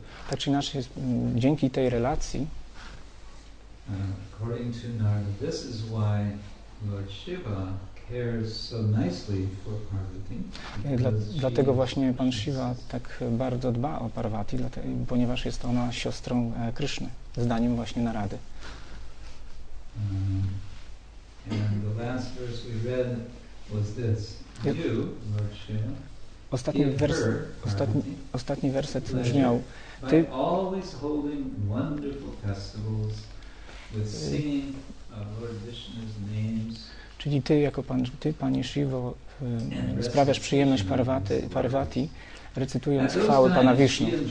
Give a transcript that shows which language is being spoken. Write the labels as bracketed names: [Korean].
[Polish] Tak czy inaczej, dzięki tej relacji, [English] according to Narada, this is why Lord Shiva cares so nicely for Parvati. [Polish] Dlatego właśnie Pan Shiva tak bardzo dba o Parvati, ponieważ jest ona siostrą Kryszny, zdaniem właśnie Narady. [English] And the last verse we read was this. You, Lord Shiva, [Polish] ostatni werset brzmiał: Ty, [English] always holding wonderful festivals with singing of Lord Vishnu's names. [Polish] Czyli ty, jako pan, ty, Pani Shivo, sprawiasz przyjemność Parvati, recytując chwały Pana Vishnu.